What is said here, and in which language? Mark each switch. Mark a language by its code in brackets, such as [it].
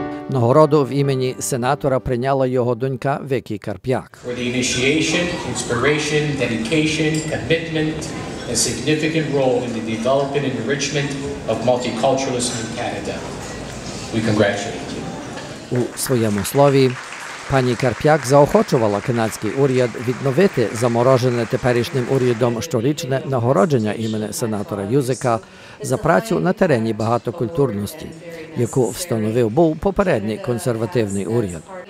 [uk] Нагороду в імені сенатора прийняла його донька Вікі Карп'як. [en] For the initiation, inspiration, dedication, commitment, a significant role in the development and enrichment of multiculturalism in Canada. We congratulate you. [uk] У своєму слові пані Карп'як заохочувала канадський уряд відновити заморожене теперішнім урядом щорічне нагородження імені сенатора Юзика за працю на терені багатокультурності, яку встановив був попередній консервативний уряд.